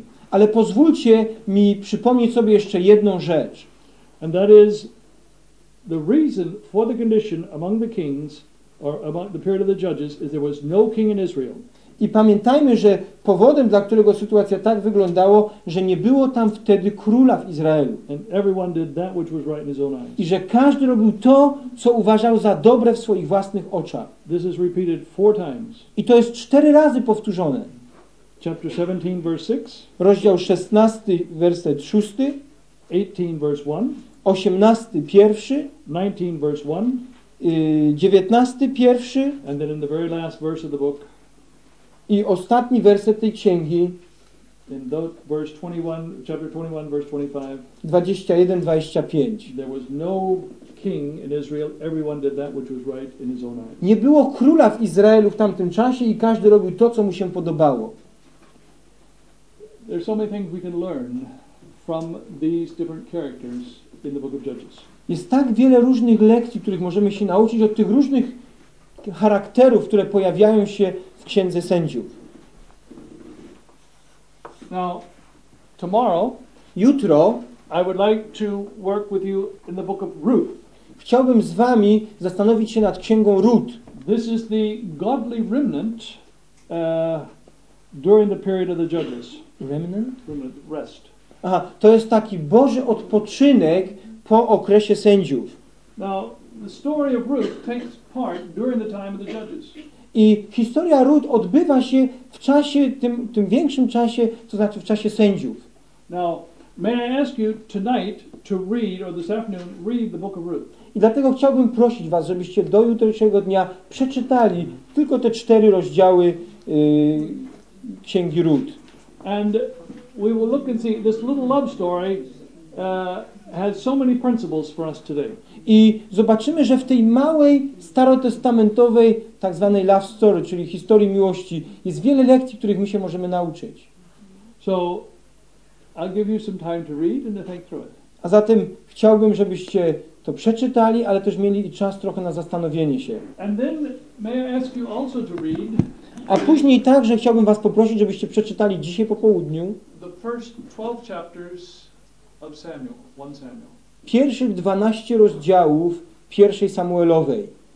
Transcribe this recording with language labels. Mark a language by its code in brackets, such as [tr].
[pl] Ale pozwólcie mi przypomnieć sobie jeszcze jedną rzecz. [en] And that is the reason for the condition among the kings or about the period of the judges is there was no king in Israel. [pl] I pamiętajmy, że powodem, dla którego sytuacja tak wyglądała, że nie było tam wtedy króla w Izraelu. [en] And everyone did that which was right in his own eyes. [pl] I że każdy robił to, co uważał za dobre w swoich własnych oczach. [en] This is repeated four times. [pl] I to jest cztery razy powtórzone. [en] Chapter 17 verse 6. [pl] Rozdział 16 werset 6. [en] 18 verse 1. [pl] 18 pierwszy. [en] 19 verse 1. [pl] 19 pierwszy. [en] And then in the very last verse of the book. [pl] I ostatni werset tej księgi. [en] In verse 21, chapter 21, verse 25. [pl] 21-25. [en] There was no king in Israel. Everyone did that which was right in his own eyes. [pl] Nie było króla w Izraelu w tamtym czasie i każdy robił to, co mu się podobało. [en] There's so many things we can learn from these different characters in the book of Judges. [pl] Jest tak wiele różnych lekcji, których możemy się nauczyć od tych różnych charakterów, które pojawiają się w Księdze Sędziów. [en] Now, tomorrow, [pl] jutro, [en] I would like to work with you in the book of Ruth. [pl] Chciałbym z wami zastanowić się nad Księgą Rut. [en] This is the godly remnant during the period of the judges. Remnant? Rest. [pl] Aha, to jest taki Boży odpoczynek po okresie sędziów. [en] Now, the story of Ruth takes part during the time of the judges. [pl] I historia Rut odbywa się w czasie, tym większym czasie, to znaczy w czasie sędziów. [en] Now, may I ask you tonight to read, or this afternoon, read the book of Ruth. [pl] I dlatego chciałbym prosić was, żebyście do jutrzejszego dnia przeczytali tylko te cztery rozdziały księgi Rut. [en] And we will look and see this little love story has so many principles for us today. [pl] I zobaczymy, że w tej małej, starotestamentowej, tak zwanej love story, czyli historii miłości, jest wiele lekcji, których my się możemy nauczyć. [en] So, I'll give you some time to read and to think through it. [pl] A zatem chciałbym, żebyście to przeczytali, ale też mieli i czas trochę na zastanowienie się. [en] And then, may I ask you also to read... [pl] A później także chciałbym was poprosić, żebyście przeczytali dzisiaj po południu [en] the first 12 chapters of Samuel, 1 Samuel. [pl] Pierwszych 12 rozdziałów pierwszej Samuelowej.